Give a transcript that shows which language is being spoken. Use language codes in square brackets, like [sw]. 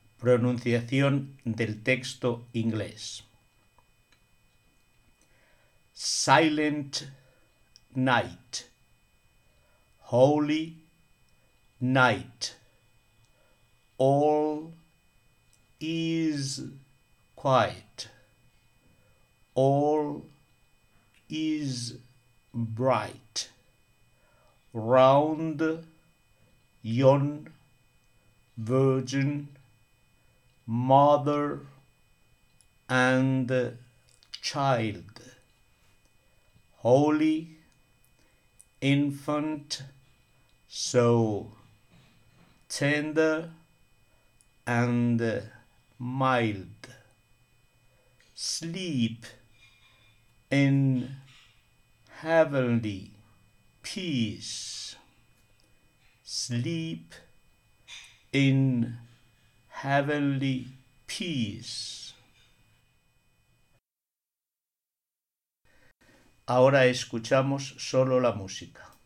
[es] Pronunciación del texto inglés. [en] Silent night, holy night, all is quiet, all is bright, round yon virgin Mother and child, holy infant, so tender and mild, sleep in heavenly peace, sleep in heavenly peace. [es] Ahora escuchamos solo la música.